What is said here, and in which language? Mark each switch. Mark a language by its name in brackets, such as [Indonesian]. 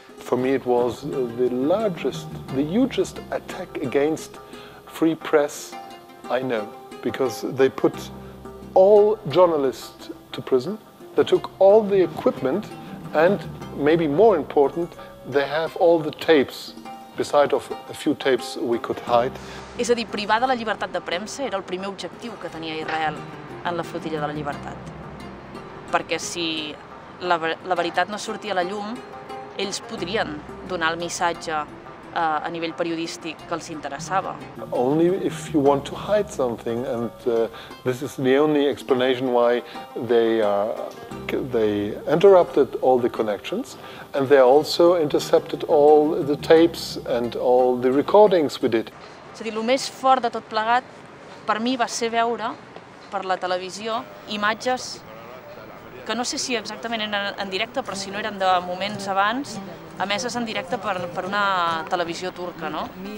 [English] For me, it was the largest, the hugest attack against free press I know, because they put all journalists to prison, they took all the equipment, and maybe more important, they have all the tapes, beside of a few tapes we could hide. [Catalan] És a dir, privar de la llibertat de premsa era el primer objectiu que tenia Israel en la flotilla de la llibertat. Perquè si la veritat no sortia a la llum, ells podrien donar el missatge a nivell periodístic que els interessava. [English] Only if you want to hide something, and this is the only explanation why they interrupted all the connections, and they also intercepted all the tapes and all the recordings we did. [Catalan] És a dir, el més fort de tot plegat per mi va ser veure per la televisió imatges que no sé si exactament eren en directe, però si no eren de moments abans, emeses en directe per una televisió turca, no?